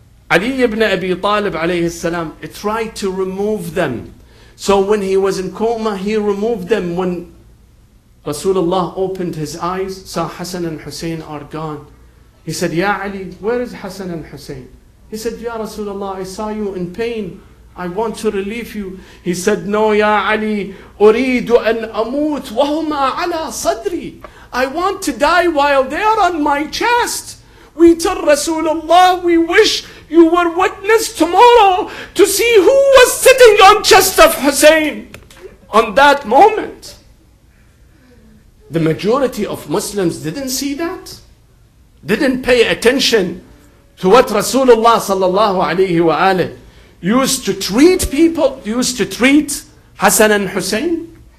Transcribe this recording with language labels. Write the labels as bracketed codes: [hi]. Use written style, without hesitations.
[en] Ali ibn Abi Talib alayhi salam tried to remove them. So when he was in coma, he removed them. When Rasulullah opened his eyes, saw Hassan and Hussein are gone, he said, Ya Ali, where is Hassan and Hussein? He said, Ya Rasulullah, I saw you in pain. I want to relieve you. He said, No, [ar] Ya Ali, أريد أن أموت وهما على صدري. [en] I want to die while they are on my chest. We tell Rasulullah, we wish you were witness tomorrow to see who was sitting on chest of Hussein on that moment. The majority of Muslims didn't see that, didn't pay attention to what Rasulullah sallallahu alayhi wa alayhi used to treat people, used to treat Hassan and Hussein.